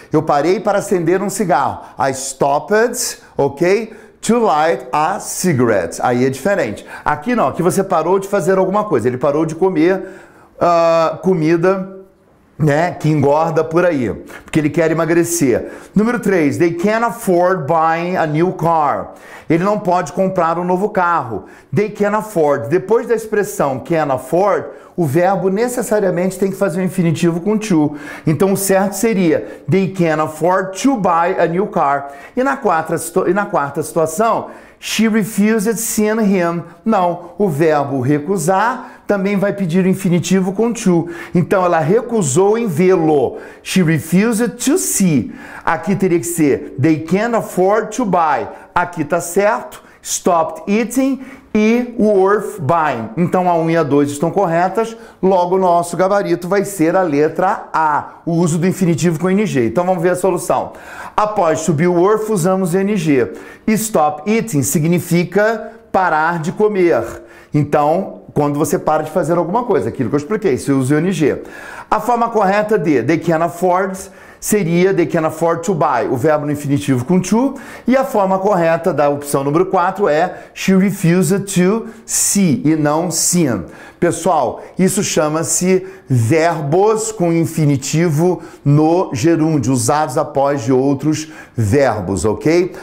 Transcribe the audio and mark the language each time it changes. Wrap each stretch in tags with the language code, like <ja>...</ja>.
<pt>Eu parei para acender um cigarro.</pt> <en>I stopped, ok? To light a cigarette.</en> <pt>Aí é diferente. Aqui não, aqui você parou de fazer alguma coisa. Ele parou de comer comida, né, que engorda por aí, porque ele quer emagrecer. Número 3:</pt> <en>they can't afford buying a new car.</en> <pt>Ele não pode comprar um novo carro.</pt> <en>They can't afford.</en> <pt>Depois da expressão</pt> <en>can't afford,</en> <pt>o verbo necessariamente tem que fazer um infinitivo com to. Então o certo seria:</pt> <en>they can't afford to buy a new car.</en> <pt>E na quarta situação,</pt> <en>she refuses seeing him.</en> <pt>Não, o verbo recusar também vai pedir o infinitivo com to. Então ela recusou em vê-lo.</pt> <en>She refused to see.</en> <pt>Aqui teria que ser:</pt> <en>they can't afford to buy.</en> <pt>Aqui tá certo.</pt> <en>Stopped eating e worth buying.</en> <pt>Então a 1 e a 2 estão corretas. Logo, o nosso gabarito vai ser a letra A, o uso do infinitivo com ing. Então vamos ver a solução. Após subir o worth, usamos ing.</pt> <en>Stop eating</en> <pt>significa parar de comer. Então, quando você para de fazer alguma coisa, aquilo que eu expliquei, se usa ing. A forma correta de</pt> <en>they can't afford</en> <pt>seria</pt> <en>they can't afford to buy,</en> <pt>o verbo no infinitivo com to. E a forma correta da opção número 4 é</pt> <en>she refused to see</en> <pt>e não seen. Pessoal, isso chama-se verbos com infinitivo no gerúndio, usados após de outros verbos, ok?</pt>